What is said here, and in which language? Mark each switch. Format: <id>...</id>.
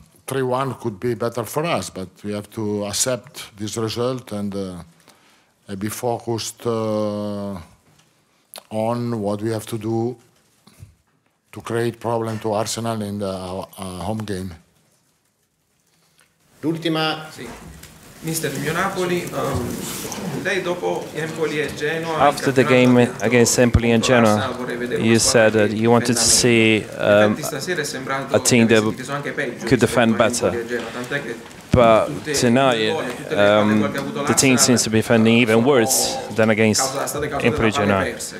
<en>3-1 could be better for us, but we have to accept this result and be focused on what we have to do to create problems to Arsenal in the home game.</en> <it>L'ultima. Sì. Mister, il mio Napoli, lei dopo Empoli e Genoa.</it> <en>After the game against Empoli and Genoa, you said that you wanted to see a team that could defend better. But tonight, the team seems to be defending even worse than against Empoli Genoa.</en>